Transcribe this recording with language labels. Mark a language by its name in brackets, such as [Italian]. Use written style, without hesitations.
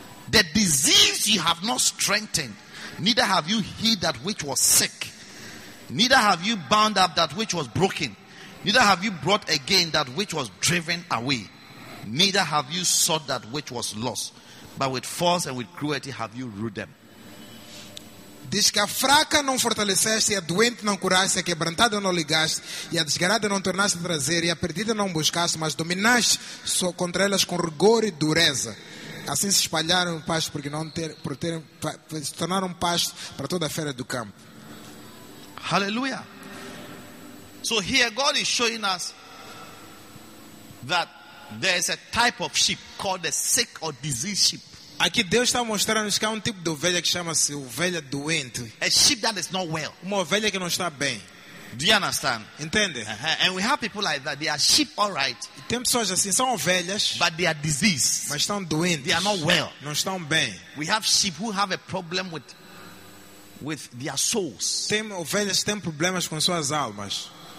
[English] The disease you have not strengthened, neither have you healed that which was sick. Neither have you bound up that which was broken. Neither have you brought again that which was driven away. Neither have you sought that which was lost. But with force and with cruelty have you ruled them. [Portuguese] Diz que a fraca não fortaleceste, e a doente não curaste, e a quebrantada não ligaste, e a desgarrada não tornaste a trazer, e a perdida não buscaste, mas dominaste contra elas com rigor e dureza. Assim se espalharam o pasto, porque não ter, por terem, se tornaram um pasto para toda a fera do campo. [English] Hallelujah. So here God is showing us that there is a type of sheep called the sick or diseased sheep. [Portuguese] Aqui Deus está mostrando que há tipo de ovelha que chama-se ovelha doente. [English] A sheep that is not well. [Portuguese] Uma ovelha que não está bem. [English] Do you understand? [Portuguese] Entende? [English] Uh-huh. And we have people like that. They are sheep, all right. [Portuguese] Tem pessoas assim, são ovelhas, [English] but they are diseased. [Portuguese] Mas estão doentes. [English] They are not well. [Portuguese] Não estão bem. [English] We have sheep who have a problem with their souls. [Portuguese] Tem ovelhas que têm problemas com suas almas.